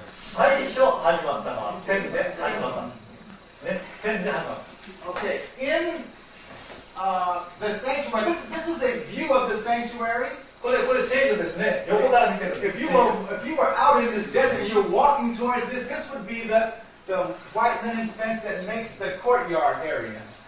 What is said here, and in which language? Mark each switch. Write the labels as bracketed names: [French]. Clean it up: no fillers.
[Japanese] 最初始まったのは天で始まった。ね、天で始まった。 [English] Okay, in the sanctuary, this is a view of the sanctuary. [Japanese] これ聖所ですね。横から見てる。 [English] If you were out in this desert and you were walking towards this would be the white linen fence that makes the courtyard area.